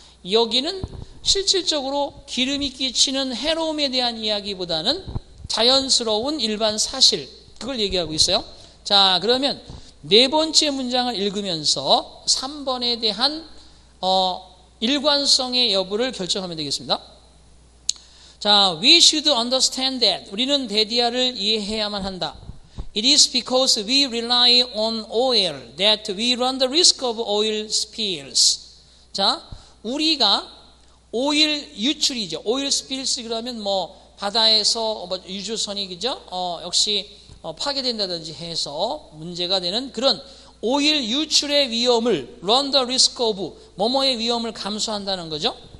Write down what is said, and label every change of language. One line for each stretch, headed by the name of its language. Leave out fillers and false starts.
Korean: 여기는 실질적으로 기름이 끼치는 해로움에 대한 이야기보다는 자연스러운 일반 사실 그걸 얘기하고 있어요. 자, 그러면 네 번째 문장을 읽으면서 3번에 대한 일관성의 여부를 결정하면 되겠습니다.
English: 자, we should understand that.
Korean: 우리는 대디아를 이해해야만 한다.
English: It is because we rely on oil that we run the risk of oil spills.
Korean: 자, 우리가 오일 유출이죠.
English: oil spills
Korean: 그러면 뭐 바다에서 뭐 유조선이 그죠? 역시 파괴된다든지 해서 문제가 되는 그런 오일 유출의 위험을
English: run the risk of
Korean: 뭐뭐의 위험을 감수한다는 거죠.